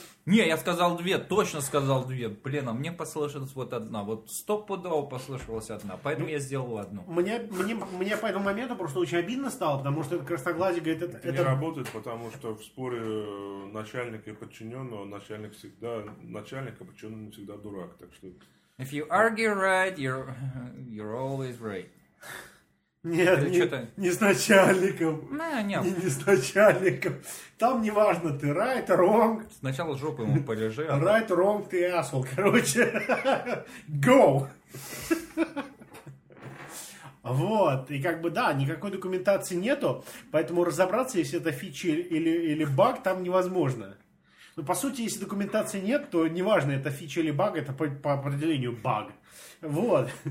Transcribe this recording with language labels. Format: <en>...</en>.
<ru>Не, я сказал две, точно сказал две. Блин, а мне послышалась вот одна. Вот стопудово послышалась одна, поэтому я сделал одну. Мне по этому моменту просто очень обидно стало, потому что этот красноглазик говорит... Это не работает, потому что в споре начальника и подчиненного начальник всегда... Начальник и подчиненный всегда дурак, так что...</ru> <en>If you argue right, you're always right.</en> <ru>Нет, не с начальником. Не с начальником. Там неважно, ты</ru> <en>right, wrong.</en> <ru>Сначала жопу ему полежи.</ru> <en>Right, wrong,</en> <ru>ты</ru> <en>asshole,</en> <ru>короче.</ru> <en>Go!</en> <ru>Вот, и как бы, да, никакой документации нету, поэтому разобраться, если это фичи или баг, там невозможно. Ну, по сути, если документации нет, то неважно, это фичи или баг, это по определению баг. Вот.</ru>